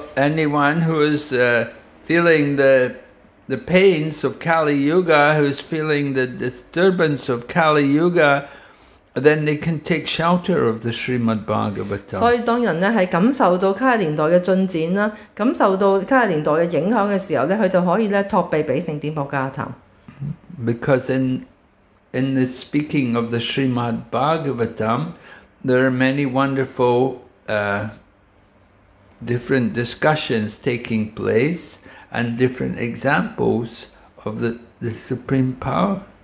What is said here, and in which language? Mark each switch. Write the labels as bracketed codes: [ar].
[en] anyone who is feeling the pains of Kali Yuga, who is feeling the disturbance of Kali Yuga. Then they can take shelter of the Srimad Bhagavatam. [yue] 所以當人咧係感受到卡利年代嘅進展啦，感受到卡利年代嘅影響嘅時候咧，佢就可以咧托庇俾聖典博加拉談。 [en] Because in the speaking of the Srimad Bhagavatam, there are many wonderful different discussions taking place and different examples of the supreme power.